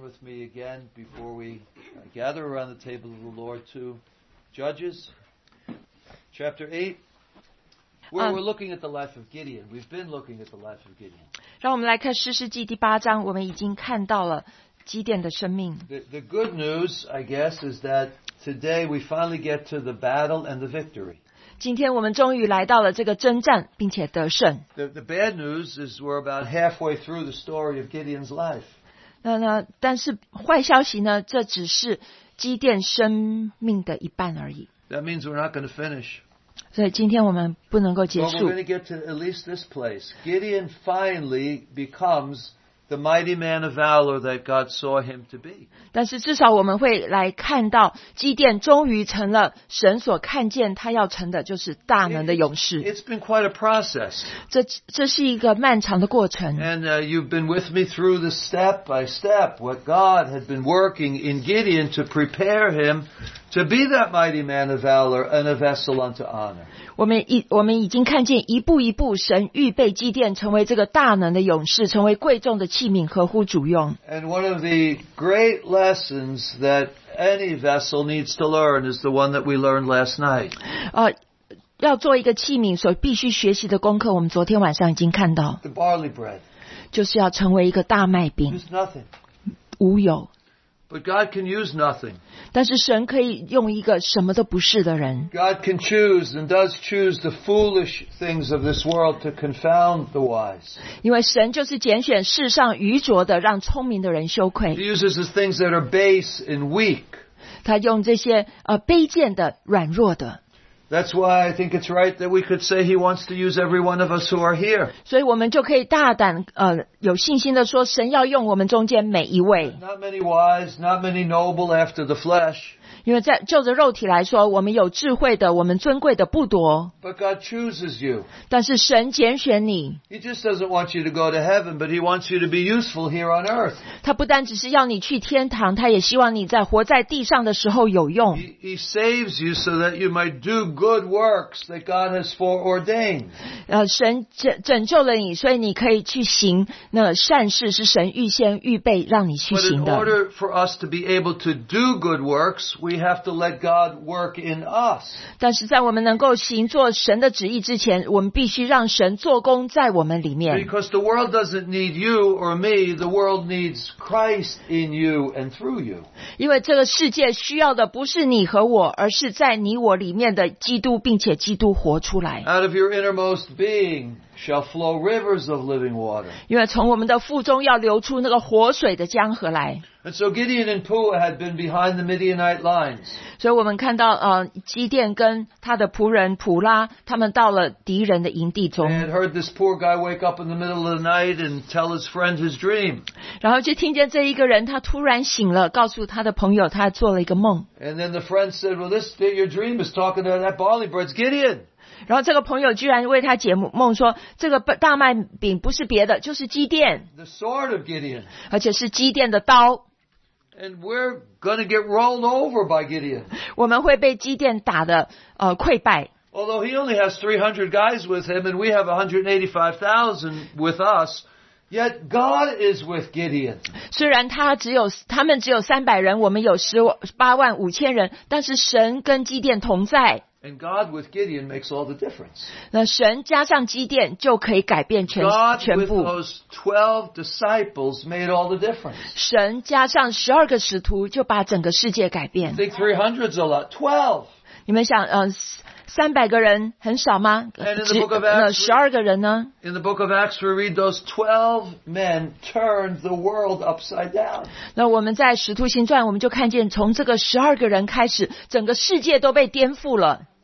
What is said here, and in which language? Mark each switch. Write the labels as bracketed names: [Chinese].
[English] Again, before we gather around the table of the Lord, to Judges, chapter 8, where we're looking at the life of Gideon. We've been looking at the life of Gideon. [Chinese] 让我们来看士师记第八章，我们已经看到了基甸的生命。 [English] The good news, I guess, is that today we finally get to the battle and the victory. [Chinese] 今天我们终于来到了这个征战，并且得胜。 [English] The bad news is we're about halfway through the story of Gideon's life. [Chinese] 但是坏消息呢，这只是基甸生命的一半而已。 [English] That means we're not going to finish. [Chinese] 所以今天我们不能够结束。 [English] Well, we're going to get to at least this place. Gideon finally becomes the mighty man of valor that God saw him to be. [Chinese] 但是至少我们会来看到基甸终于成了神所看见他要成的，就是大能的勇士。 [English] It's been quite a process. [Chinese] 这是一个漫长的过程。 [English] And you've been with me through the step by step what God had been working in Gideon to prepare him to be that mighty man of valor and a vessel unto honor. [Chinese] 我们已经看见一步一步神预备基甸成为这个大能的勇士，成为贵重的器皿，合乎主用。 [English] And one of the great lessons that any vessel needs to learn is the one that we learned last night. [Chinese] 要做一个器皿所必须学习的功课，我们昨天晚上已经看到。 [English] The barley bread. [Chinese] 就是要成为一个大麦饼。 [English] Use nothing. [Chinese] 无有。 [English] But God can use nothing. [Chinese] 但是神可以用一个什么都不是的人。 [English] God can choose and does choose the foolish things of this world to confound the wise. [Chinese] 因为神就是拣选世上愚拙的，让聪明的人羞愧。 [English] He uses the things that are base and weak. [Chinese] 他用这些卑贱的、软弱的。 [English] That's why I think it's right that we could say He wants to use every one of us who are here. [Chinese] 所以我们就可以大胆有信心的说，神要用我们中间每一位。 [English] Not many wise, not many noble after the flesh. [Chinese] 因为在就着肉体来说，我们有智慧的，我们尊贵的不多。 [English] But God chooses you. [Chinese] 但是神拣选你。 [English] He just doesn't want you to go to heaven, but He wants you to be useful here on earth. [Chinese] 他不单只是要你去天堂，他也希望你在活在地上的时候有用。 [English] He saves you so that you might do good works that God has foreordained. [Chinese] 神拯救了你，所以你可以去行那善事，是神预先预备让你去行的。 [English] But in order for us to be able to do good works, we have to let God work in us. [Chinese] 但是在我们能够行做神的旨意之前，我们必须让神做工在我们里面。 [English] Because the world doesn't need you or me, the world needs Christ in you and through you. [Chinese] 因为这个世界需要的不是你和我，而是在你我里面的基督，并且基督活出来。 [English] Out of your innermost being shall flow rivers of living water. [Chinese] 因为从我们的腹中要流出那个活水的江河来。 [English] And so Gideon and Pua had been behind the Midianite lines. [Chinese] 所以我们看到, 基甸跟他的仆人普拉, 他们到了敌人的营地中。 [English] They had heard this poor guy wake up in the middle of the night and tell his friend his dream. [Chinese] 然后就听见这一个人, 他突然醒了, 告诉他的朋友, 他做了一个梦。 [English] And then the friend said, well, this, your dream is talking to that barley bread, it's Gideon. [Chinese] 然后这个朋友居然为他解梦说 这个大麦饼不是别的 就是基甸 [English] The sword of Gideon [Chinese] 而且是基甸的刀 [English] And we're going to get rolled over by Gideon [Chinese] 我们会被基甸打的 溃败 [English] Although he only has 300 guys with him And we have 185,000 with us Yet God is with Gideon [Chinese] 虽然他只有 他们只有300人 我们有185,000人 但是神跟基甸同在 [English] And God with Gideon makes all the difference. [Chinese] 那神加上基甸就可以改变全部。 [English] God with those 12 disciples made all the difference. [Chinese] 神加上12个使徒就把整个世界改变。 [English] Think 300's a lot. 12. [Chinese] 你们想, 300个人很少吗? [English] And in the book of Acts, [Chinese] 那12个人呢? [English] In the book of Acts, we read those 12 men turned the world upside down. [Chinese] 那我们在使徒行传, 我们就看见从这个12个人开始, 整个世界都被颠覆了。